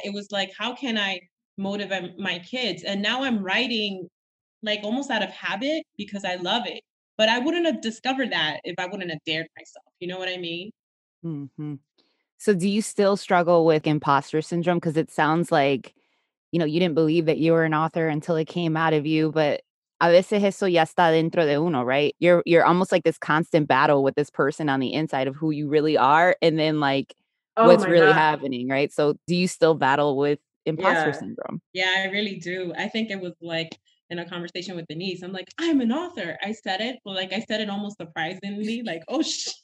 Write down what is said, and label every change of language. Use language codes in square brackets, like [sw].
[en] It was like, how can I motivate my kids? And now I'm writing, like, almost out of habit, because I love it. But I wouldn't have discovered that if I wouldn't have dared myself. You know what I mean? Mm-hmm. So do you still struggle with imposter syndrome? Because it sounds like, you know, you didn't believe that you were an author until it came out of you. But [es] a veces eso ya está dentro de uno, [en] right? You're almost like this constant battle with this person on the inside of who you really are. And then, like, what's really happening, right? So do you still battle with imposter syndrome? Yeah, I really do. I think it was, like, in a conversation with Denise, I'm like, I'm an author. I said it, but, like, I said it almost surprisingly, like, oh, shit.